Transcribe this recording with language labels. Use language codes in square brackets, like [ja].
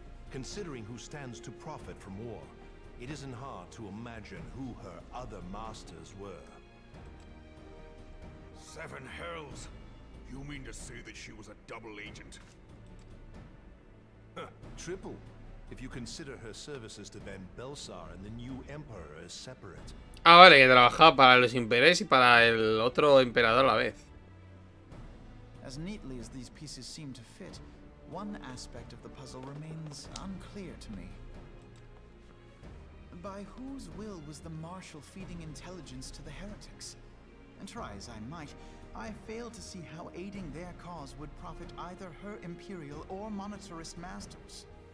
[en] Considering who stands to profit from war, it isn't hard to imagine who her other masters were. Seven Hells! You mean to say that she was a double agent? Triple. If you consider her services to Van Belsar and the new emperor as separate. [es] Ah, vale, que trabajaba para los imperios y para el otro emperador a la vez. [en] As neatly as these pieces seem to fit, one aspect of the puzzle remains unclear to me. By whose will was the marshal feeding intelligence to the heretics? And try as I might, I fail to see how aiding their cause would profit either her imperial or monetarist masters.